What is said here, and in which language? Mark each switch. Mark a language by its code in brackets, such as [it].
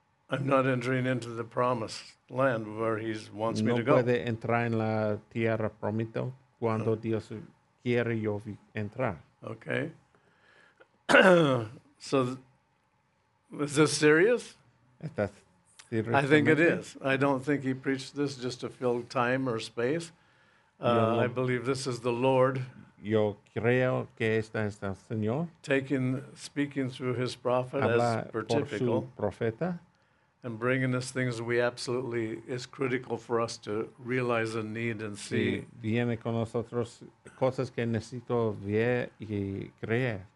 [en] I'm not entering into the promised land where he wants [es] no [en] me to go. [es] No puede entrar en la tierra prometida cuando Dios quiere yo entrar. [en] Okay. So, is this serious? [es] ¿Estás [en] seriamente? I think it is. I don't think he preached this just to fill time or space. No, I believe this is the Lord. [es] Yo creo que este es el Señor. [en] Speaking through his prophet [es] habla [en] as per typical. [es] Por su profeta. [en] And bringing us things we absolutely is critical for us to realize and need and see. [es] Viene con nosotros cosas que necesito ver y creer.